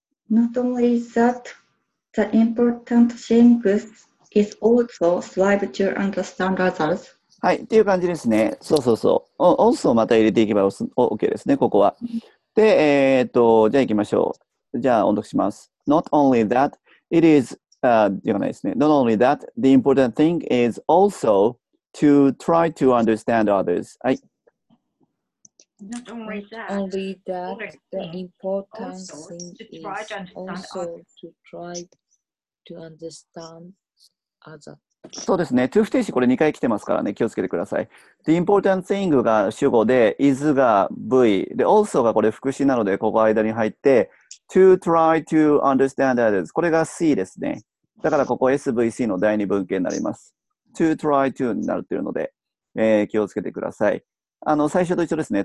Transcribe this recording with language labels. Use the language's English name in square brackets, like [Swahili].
[English] Not only that, the important thing is also like to understand others. [Japanese] はい。っていう感じですね。そうそうそう。オースをまた入れていけば OK ですね、ここは。で、じゃあ行きましょう。じゃあ音読します。 [English] Not only that, it is, [Japanese] 言わないですね。 [English] Not only that, the important thing is also to try to understand others. Not only that, the important thing is also to try to understand others. [Japanese] そうですね。 to 不定詞これ2回来てますからね。気をつけてください。The important thing が主語で、is が V。で、also がこれ副詞なので、ここ間に入って、 [English] to try to understand others。 [Japanese] これが C ですね。だからここ SVC の第二文型になります。to try to になるっていうので、気をつけてください。最初と一緒ですね。